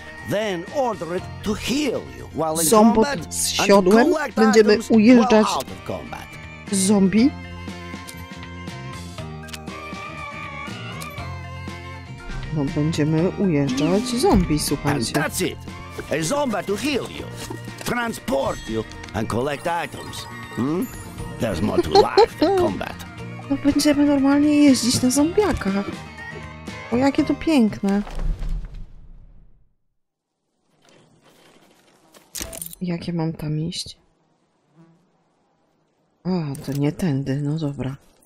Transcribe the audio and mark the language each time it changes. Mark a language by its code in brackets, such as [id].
[en] Then order it to heal you while in zombot combat [pl] z siodłem będziemy ujeżdżać zombie. No będziemy ujeżdżać zombie, słuchajcie. [en] That's it. A zombie to heal you, transport you and collect items. There's more to life than combat. [pl] No będziemy normalnie jeździć na zombiaka. O, jakie to piękne. Jak ja mam tam iść? A, to nie tędy, no dobra.